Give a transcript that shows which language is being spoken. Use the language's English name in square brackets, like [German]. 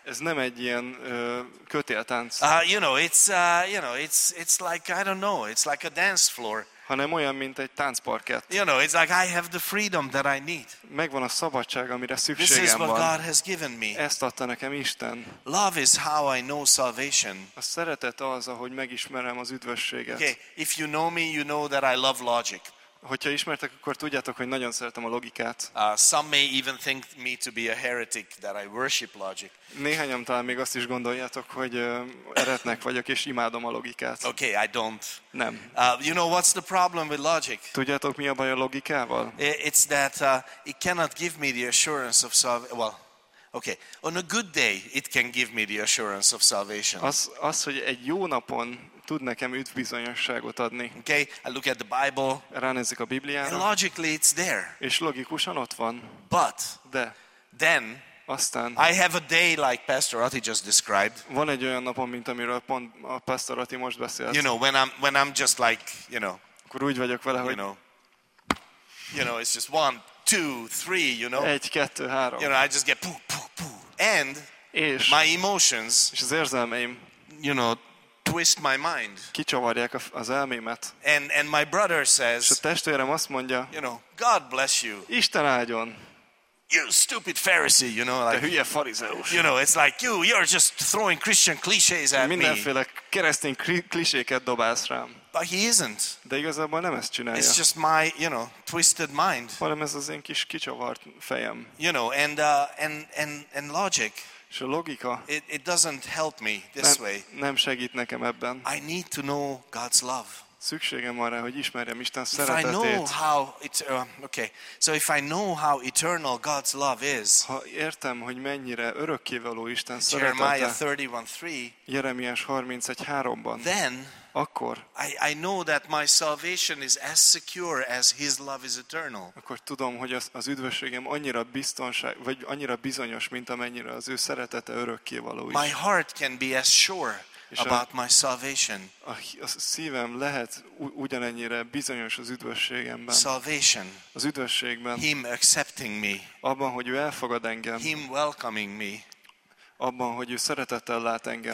[Hungarian] Ez nem egy ilyen kötéltánc. [English] It's like, I don't know, it's like a dance floor. [Hungarian] Hanem olyan, mint egy táncparkett. [English] You know, it's like I have the freedom that I need. [Hungarian] Megvan a szabadság, amire szükségem van. [English] This is what God has given me. [Hungarian] Ezt adta nekem Isten. [English] Love is how I know salvation. [Hungarian] A szeretet az, ahogy megismerem az üdvösséget. [English] Okay, if you know me, you know that I love logic. [Hungarian] Hogyha ismertek, akkor tudjátok, hogy nagyon szeretem a logikát. [English] Some may even think me to be a heretic that I worship logic. [Hungarian] Néhányan talán még azt is gondoljátok, hogy eretnek vagyok és imádom a logikát. [English] Okay, I don't. [Hungarian] Nem. [English] You know what's the problem with logic? [Hungarian] Tudjátok, mi a baj a logikával? [English] It's that it cannot give me the assurance of well. Okay, on a good day it can give me the assurance of salvation. [Hungarian] Az, hogy egy jó napon tud nekem üdvbizonyosságot adni. [English] Okay, I look at the Bible. [Hungarian] Ránézek a Bibliára. [English] And logically it's there. [Hungarian] És logikusan ott van. [English] But [Hungarian] de [English] then [Hungarian] aztán [English] I have a day like Pastor Ati just described. [Hungarian] Van egy olyan napom, mint amiről pont a Pastor Ati most beszélt. [English] You know, when I'm just like, you know. [Hungarian] Akkor úgy vagyok vele, hogy [English] you know, it's just 1, 2, 3, you know. 1, 2, 3. You know, I just get poof, poof, poof. And [Hungarian] és [English] my emotions. [Hungarian] És az érzelmeim, [English] you know, twist my mind. [Hungarian] Kicsavarják az elmémet. [English] And my brother says. [Hungarian] És a testvérem azt mondja. [English] You know, God bless you. [Hungarian] Isten áldjon. [English] You stupid Pharisee, you know, like. [Hungarian] De hülye farizeus. [English] You know, it's like you're just throwing Christian clichés at me. [Hungarian] Mindenféle keresztény kliséket dobálsz rám. [English] But he isn't. [Hungarian] De igazából nem ezt csinálja. [English] It's just my, you know, twisted mind. [Hungarian] Hanem ez az én kis kicsavart fejem. [English] You know, and logic. [Hungarian] És a logika. [English] It doesn't help me this way. [Hungarian] Nem segít nekem ebben. [English] I need to know God's love. [Hungarian] Szükségem van rá, hogy ismerjem Isten szeretetét. [English] If I know how it's okay. So if I know how eternal God's love is. [Hungarian] Ha értem, hogy mennyire örökkévaló Isten szeretete. [English] Jeremiah [Hungarian] 31:3-ban. [English] Then [Hungarian] akkor [English] I know that my salvation is as secure as his love is eternal. [Hungarian] Akkor tudom, hogy az üdvösségem annyira biztonság, vagy annyira bizonyos, mint amennyire az ő szeretete örökkévaló is. [English] My heart can be as sure about my salvation. [Hungarian] A szívem lehet ugyanennyire bizonyos az üdvösségemben. [English] Salvation. [Hungarian] Az üdvösségben. [English] Him accepting me. [Hungarian] Abban, hogy ő elfogad engem. [English] Him welcoming me. [Hungarian] Abban, hogy ő szeretettel lát engem.